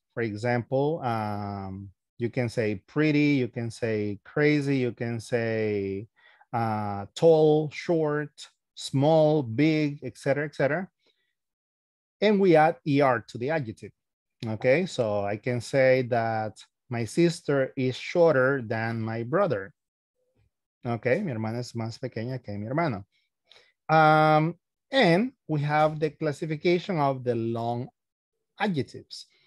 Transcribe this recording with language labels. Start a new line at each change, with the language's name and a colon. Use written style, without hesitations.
English: For example, you can say pretty, you can say crazy, you can say tall, short, small, big, et cetera, et cetera. And we add ER to the adjective. Okay, so I can say that my sister is shorter than my brother.
Spanish: Okay, mi hermana es más pequeña que mi hermano.
English: And we have the classification of the long adjectives.